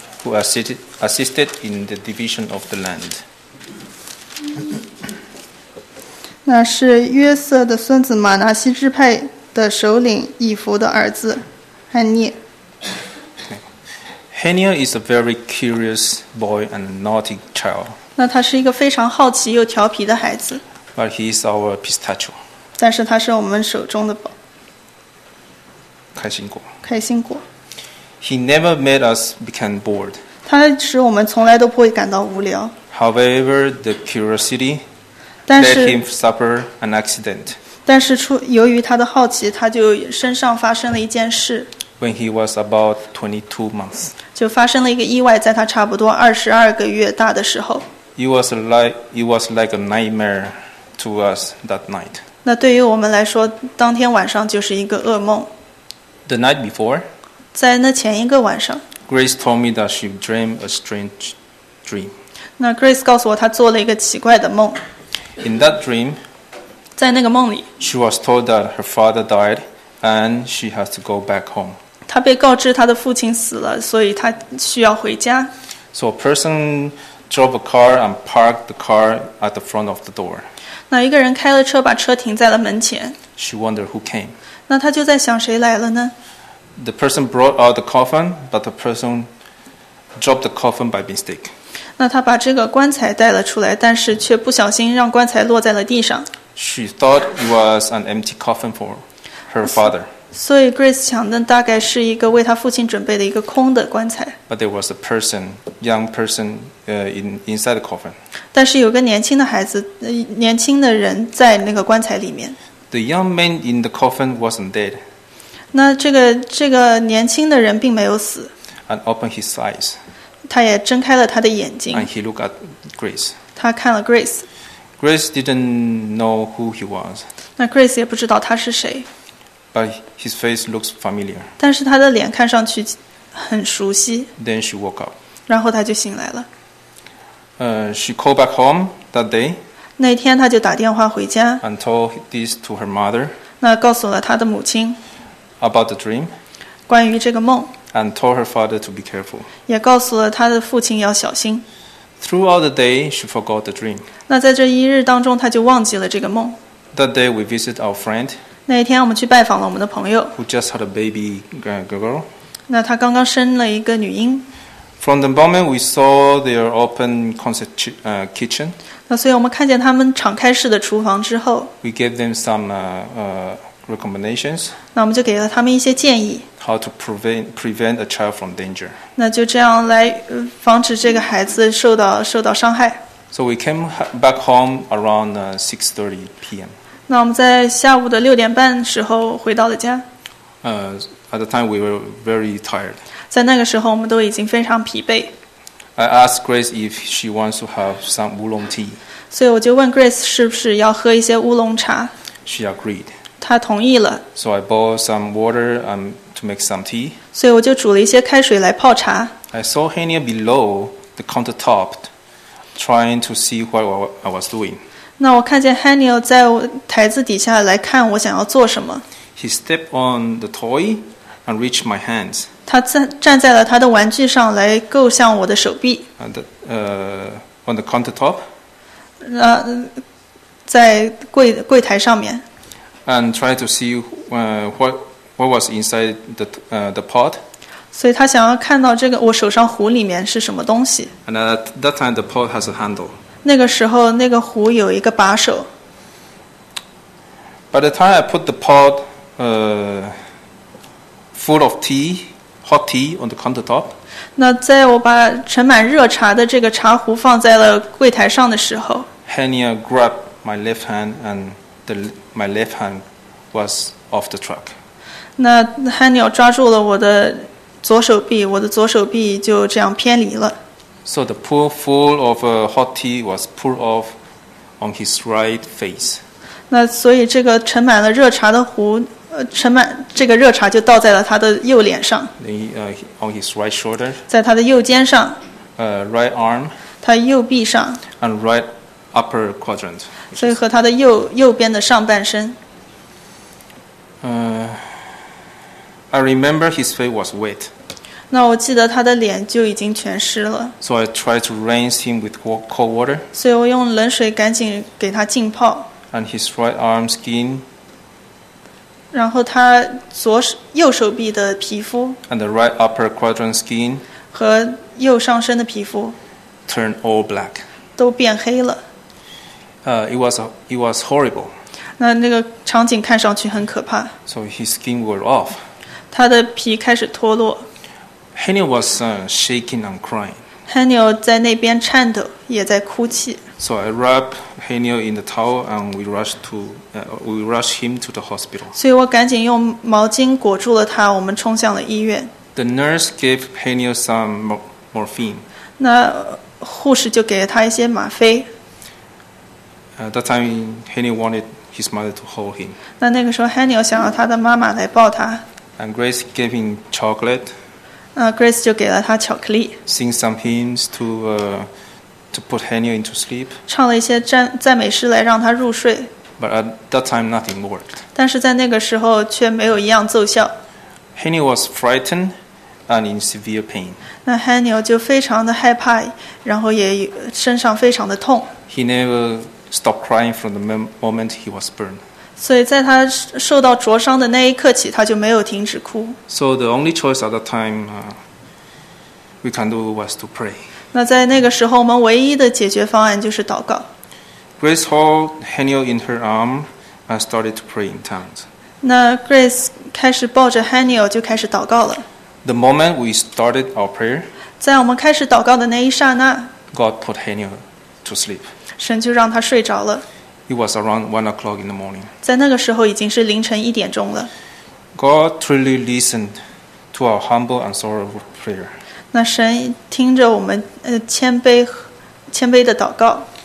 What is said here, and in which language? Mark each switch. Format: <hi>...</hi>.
<en>Who assisted in the division of the land?</en> <zh>那是约瑟的孙子马拿西支派的首领以弗的儿子汉尼。</zh> <en>Haniel is a very curious boy and naughty child.</en> <zh>那他是一个非常好奇又调皮的孩子。</zh> <en>But he is our pistachio.</en> <zh>但是他是我们手中的宝。开心果。</zh> <en>He never made us become bored.</en> <zh>他使我们从来都不会感到无聊。</zh> <en>However, the curiosity let him suffer an accident.</en> <zh>但是由于他的好奇，他就身上发生了一件事。</zh> <en>When he was about 22 months.</en> <zh>就发生了一个意外，在他差不多22个月大的时候。</zh> <en>It was like a nightmare to us that night.</en> <zh>那对于我们来说，当天晚上就是一个噩梦。</zh> <en>The night before.</en> <zh>在那前一个晚上</zh> <en>，Grace told me that she dreamed a strange dream.</en> <zh>那 Grace 告诉我，她做了一个奇怪的梦。</zh> <en>In that dream,</en> <zh>在那个梦里</zh> <en>，she was told that her father died and she has to go back home.</en> <zh>她被告知她的父亲死了，所以她需要回家。</zh> <en>So a person drove a car and parked the car at the front of the door.</en> <zh>那一个人开了车，把车停在了门前。</zh> <en>She wondered who came.</en> <zh>那她就在想，谁来了呢？</zh> <en>The person brought out the coffin, but the person dropped the coffin by mistake.</en> <zh>那他把这个棺材带了出来，但是却不小心让棺材落在了地上。</zh> <en>She thought it was an empty coffin for her father.</en> <zh>所以 Grace 想的大概是一个为他父亲准备的一个空的棺材。</zh> <en>But there was a person, young person, inside the coffin.</en> <zh>但是有个年轻的孩子，年轻的人在那个棺材里面。</zh> <en>The young man in the coffin wasn't dead.</en> <zh>那这个年轻的人并没有死。</zh> <en>And open his eyes.</en> <zh>他也睁开了他的眼睛。</zh> <en>And he looked at Grace.</en> <zh>他看了 Grace.</zh> <en>Grace didn't know who he was.</en> <zh>那 Grace 也不知道他是谁。</zh> <en>But his face looks familiar.</en> <zh>但是他的脸看上去很熟悉。</zh> <en>Then she woke up.</en> <zh>然后他就醒来了。</zh> <en>She called back home that day.</en> <zh>那天他就打电话回家。</zh> <en>And told this to her mother.</en> <zh>那告诉了他的母亲</zh> <en>about the dream，</en> <zh>关于这个梦</zh> <en>and told her father to be careful，</en> <zh>也告诉了他的父亲要小心。</zh> <en>Throughout the day, she forgot the dream.</en> <zh>那在这一日当中，她就忘记了这个梦。</zh> <en>That day, we visit our friend.</en> <zh>那一天，我们去拜访了我们的朋友。</zh> <en>Who just had a baby girl.</en> <zh>那她刚刚生了一个女婴。</zh> <en>From the moment we saw their open concept kitchen.</en> <zh>那所以我们看见他们敞开式的厨房之后。</zh> <en>We gave them some recommendations.</en> <zh>那我们就给了他们一些建议。</zh> <en>How to prevent a child from danger.</en> <zh>那就这样来防止这个孩子受到伤害。</zh> <en>So we came back home around 6:30 p.m.</en> <zh>那我们在下午的六点半时候回到了家。</zh> <en>At the time we were very tired.</en> <zh>在那个时候我们都已经非常疲惫。</zh> <en>I asked Grace if she wants to have some oolong tea.</en> <zh>所以我就问 Grace 是不是要喝一些乌龙茶。</zh> <en>She agreed.</en> <zh>她同意了。</zh> <en>So I bought some water and to make some tea.</en> <zh>所以我就煮了一些开水来泡茶。</zh> <en>I saw Hania below the countertop trying to see what I was doing.</en> <zh>那我看见 Hania 在台子底下来看我想要做什么。</zh> <en>He stepped on the toy and reached my hands.</en> <zh>他站在了他的玩具上来够向我的手臂。</zh> <en>On the countertop.</en> <zh>在柜台上面。</zh> <en>And tried to see what was inside the pot.</en> <zh>所以他想要看到这个我手上壶里面是什么东西。</zh> <en>And at that time the pot has a handle.</en> <zh>那个时候那个壶有一个把手。</zh> <en>By the time I put the pot full of tea, hot tea on the countertop.</en> <zh>那在我把盛满热茶的这个茶壶放在了柜台上的时候。</zh> <en>Hania grabbed my left hand and my left hand was off the truck.</en> <zh>那 Hania 抓住了我的左手臂，我的左手臂就这样偏离了。</zh> <en>So the pool full of hot tea was pulled off on his right face.</en> <zh>那所以这个盛满了热茶的壶，盛满这个热茶就倒在了他的右脸上。</zh> <en>On his right shoulder.</en> <zh>在他的右肩上。</zh> <en>Right arm.</en> <zh>他右臂上。</zh> <en>And right upper quadrant.</en> <zh>所以和他的右边的上半身。</zh> <en>I remember his face was wet.</en> <zh>那我记得他的脸就已经全湿了。</zh> <en>So I tried to rinse him with cold water.</en> <zh>所以我用冷水赶紧给他浸泡。</zh> <en>And his right arm skin.</en> <zh>然后他右手臂的皮肤。</zh> <en>And the right upper quadrant skin.</en> <zh>和右上身的皮肤。</zh> <en>Turned all black.</en> <zh>都变黑了。</zh> <en>It was horrible.</en> <zh>那个场景看上去很可怕。</zh> <en>So his skin wore off.</en> <zh>他的皮开始脱落。</zh> <en>Hania was shaking and crying.</en> <zh>Hania 在那边颤抖，也在哭泣。</zh> <en>So I wrapped Hania in the towel and we rushed him to the hospital.</en> <zh>所以我赶紧用毛巾裹住了他，我们冲向了医院。</zh> <en>The nurse gave Hania some morphine.</en> <zh>那护士就给了他一些吗啡。</zh> <en>That time Hania wanted his mother to hold him.</en> <zh>那个时候 Hania 想要他的妈妈来抱他。</zh> <en>And Grace gave him chocolate.</en> <zh>Grace 就给了他巧克力。</zh> <en>Sing some hymns to put Hania into sleep.</en> <zh>唱了一些赞美诗来让他入睡。</zh> <en>But at that time, nothing worked.</en> <zh>但是在那个时候却没有一样奏效。</zh> <en>Hania was frightened and in severe pain.</en> <zh>那 Hania 就非常的害怕，然后也身上非常的痛。</zh> <en>He never stopped crying from the moment he was burned.</en> <zh>所以在他受到灼伤的那一刻起，他就没有停止哭。</zh> <en>So the only choice at that time, we can do was to pray.</en> <zh>那在那个时候，我们唯一的解决方案就是祷告。</zh> <en>Grace held Hania in her arm and started to pray in tongues.</en> <zh>那 Grace 开始抱着 Hania 就开始祷告了。</zh> <en>The moment we started our prayer,</en> <zh>在我们开始祷告的那一刹那</zh> <en>，God put Hania to sleep.</en> <zh>神就让他睡着了。</zh> <en>It was around 1 o'clock in the morning.</en> <zh>在那个时候已经是凌晨一点钟了。</zh> <en>God truly listened to our humble and sorrowful prayer.</en> <zh>那神听着我们谦卑的祷告。</zh>